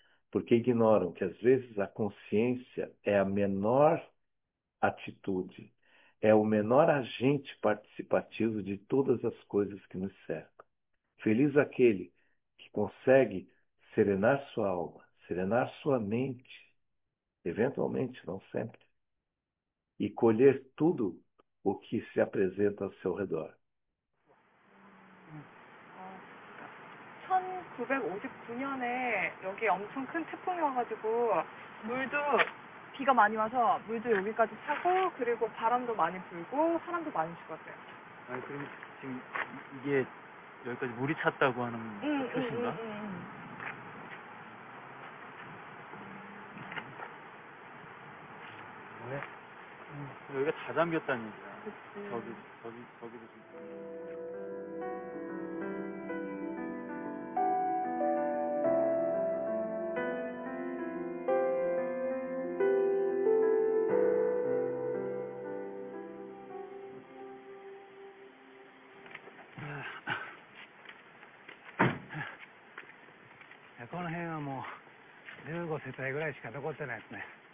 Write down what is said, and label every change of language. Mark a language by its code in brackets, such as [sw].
[pt] Porque ignoram que às vezes a consciência é a menor atitude, é o menor agente participativo de todas as coisas que nos cercam. Feliz aquele que consegue serenar sua alma, serenar sua mente, eventualmente, não sempre, e colher tudo o que se apresenta ao seu redor. [ko] 1959년에 여기 엄청 큰 태풍이 와가지고 물도 비가 많이 와서 물도 여기까지 차고 그리고 바람도 많이 불고 사람도 많이 죽었어요. 아니 그럼 지금 이게 여기까지 물이 찼다고 하는 뜻인가? 왜? 여기가 다 잠겼다는 얘기야. 그치. 저기도 지금 [ja] 世帯ぐらいしか残ってないですね。